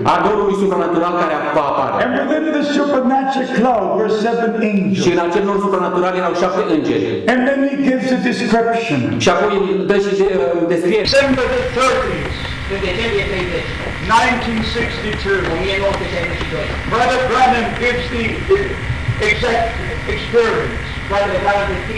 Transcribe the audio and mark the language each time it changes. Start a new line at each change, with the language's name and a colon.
Romanian: A norului supranatural care va apare.
English: And within the supernatural cloud were seven angels.
Romanian: Și în acel nor supranatural erau șapte îngeri.
English: And then he gives a description.
Romanian: Și apoi îl dă și descrie.
English: December 30th, 1962, Brother Branham gives the exact experience, Brother Branham,